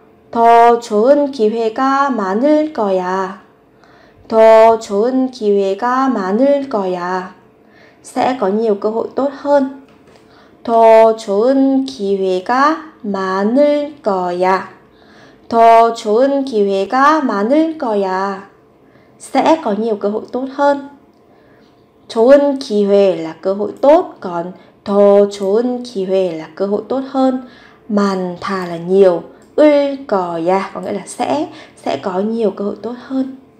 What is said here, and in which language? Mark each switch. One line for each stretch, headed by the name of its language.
Korean: 더 좋은 기회가 많을 거야. 더 좋은 기회가 많을 거야.
Vietnamese: Sẽ có nhiều cơ hội tốt hơn.
Korean: 더 좋은 기회가 많을 거야. 더 좋은 기회가 많을 거야.
Vietnamese: Sẽ có nhiều cơ hội tốt hơn.
Korean: 좋은 기회
Vietnamese: là cơ hội tốt, còn
Korean: 더 좋은 기회
Vietnamese: là cơ hội tốt hơn. 많다 là nhiều.
Korean: 을 거야
Vietnamese: có nghĩa là sẽ có nhiều cơ hội tốt hơn.